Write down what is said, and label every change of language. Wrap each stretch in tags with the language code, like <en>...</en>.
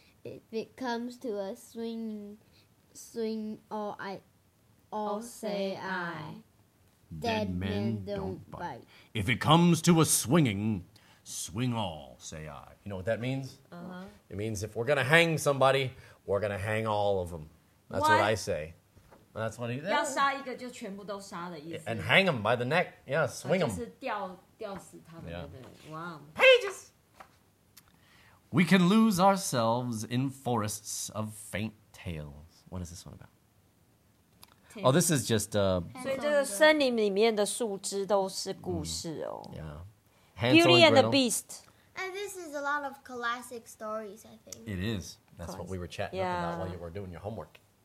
<en>If it comes to a swing, all say I. Dead men don't bite. If it comes to a swing all say I. You know what that means? Uh-huh. It means if we're going to hang somebody, we're going to hang all of them. That's what I say. That's what he did.</en> <zh>要杀一个就全部都杀的意思。</zh> <en>And hang him by the neck. Yeah, swing him.</en> <zh>就是吊死他们的。Wow.</zh> <en>Pages! We can lose ourselves in forests of faint tales. What is this one about? Oh, this is just...</en> <zh>所以这个森林里面的树枝都是故事哦。</zh> <en>Yeah. Hansel Beauty and the Beast. And this is a lot of classic stories, I think. It is. That's what we were chatting about while you were doing your homework.</en>